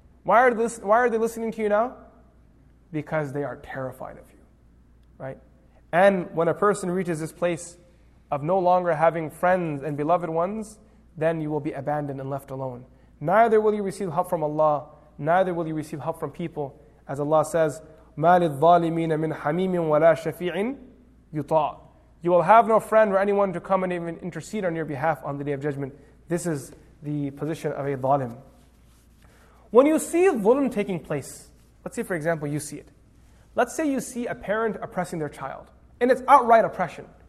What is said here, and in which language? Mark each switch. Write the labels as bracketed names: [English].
[English] Why are they listening to you now? Because they are terrified of you. Right? And when a person reaches this place of no longer having friends and beloved ones, then you will be abandoned and left alone. Neither will you receive help from Allah, neither will you receive help from people. As Allah says, [Arabic] مَا لِلظَّالِمِينَ مِنْ حَمِيمٍ وَلَا شَفِيعٍ يُطَاعٍ. [English] You will have no friend or anyone to come and even intercede on your behalf on the Day of Judgment. This is the position of a ظالم. When you see ظلم taking place, let's say for example you see it. Let's say you see a parent oppressing their child, and it's outright oppression.